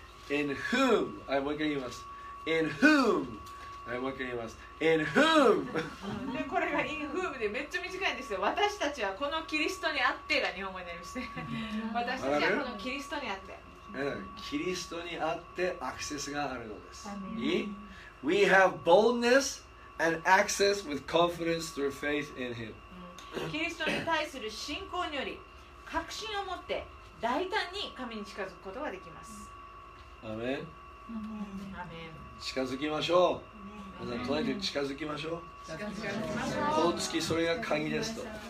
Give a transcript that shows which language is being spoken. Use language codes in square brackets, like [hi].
[en] In whom, I will give us. In whom, I will give us. In whom. [ja] でこれが [en] in whom [ja] でめっちゃ短いんですよ。私たちはこのキリストにあってが日本語になりまして、私たちはこのキリストにあって。キリストにあってアクセスがあるのです。いい [en] We have boldness and access with confidence through faith in Him. [ja] キリストに対する信仰により確信を持って大胆に神に近づくことができます。アメン。アメン。近づきましょう。まずとにかく近づきましょう。この月それが鍵ですと。